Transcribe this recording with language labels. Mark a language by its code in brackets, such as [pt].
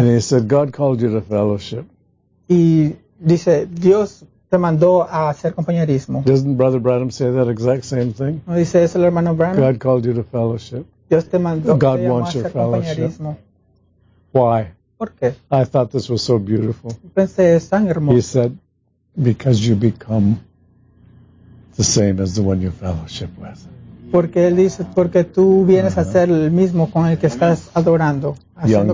[en] And he said, God called you to fellowship. [es] Y dice, Dios te mandó a hacer compañerismo. [en] Doesn't Brother Branham say that exact same thing? [es] No dice eso el hermano Branham. [en] God called you to fellowship. [es] Dios te mandó [en] God wants your fellowship. Why? [es] ¿Por qué? [en] I thought this was so beautiful. [es] Pensé, es tan hermoso. [en] He said, because you become the same as the one you fellowship with. [es] Porque él dice, porque tú vienes uh-huh. a ser el mismo con el que estás adorando, haciendo